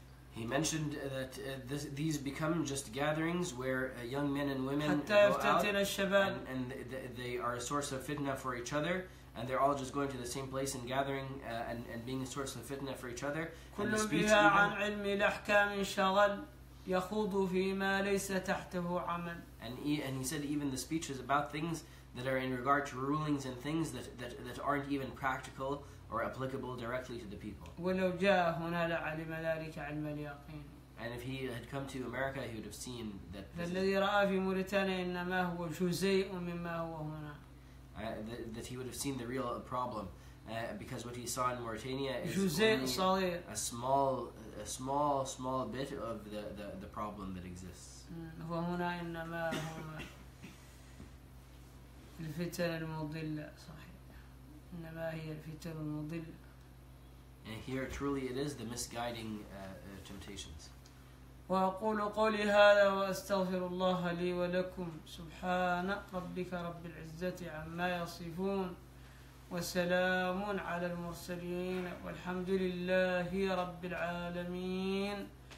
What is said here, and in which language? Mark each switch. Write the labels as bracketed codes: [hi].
[en] He mentioned that these become just gatherings where young men and women [ar] حتى يفتتن الشباب [en] and they are a source of fitna for each other, and they're all just going to the same place and gathering and being a source of fitna for each other. [ar] كل بها عن علم الأحكام شغل يخوض فيما ليس تحته عمل. [en] And he said even the speeches about things that are in regard to rulings and things that aren't even practical or applicable directly to the people. [ar] ولو جاء هنا لعلم ذلك علم اليقين. [en] And if he had come to America, he would have seen that. [ar] الذي رأى في موريتانيا إنما هو جزيء مما هو هنا. [en] That he would have seen the real problem, because what he saw in Mauritania is [ar] جزيء صغير. [en] A small bit of the problem that exists. [ar] وهنا إنما هم الفتن المضلة صحيح إنما هي الفتن المضلة. [en] And here truly it is the misguiding temptations. [ar] وأقول قولي هذا وأستغفر الله لي ولكم سبحان ربك رب العزة عما يصفون وسلام على المرسلين والحمد لله رب العالمين.